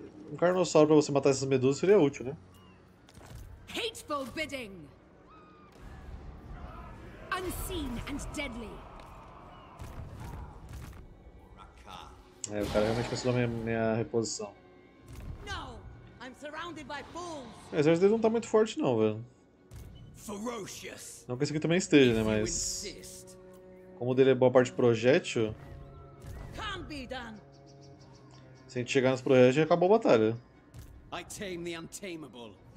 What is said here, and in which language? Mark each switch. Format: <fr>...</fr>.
<pt>Um carnossauro para você matar essas medusas seria útil, né?</pt> <en>Hateful bidding. Unseen and deadly.</en> <pt>É, o cara realmente cancelou minha reposição.</pt> <en>No, I'm surrounded by fools.</en> <pt>O exército dele não tá muito forte não, velho. Ferocious. Não que esse aqui também esteja, né, mas como o dele é boa parte de projétil,</pt> <en>can't be done.</en> <pt>Se a gente chegar nos projétil, acabou a batalha.</pt> <en>I tame the untamable.</en>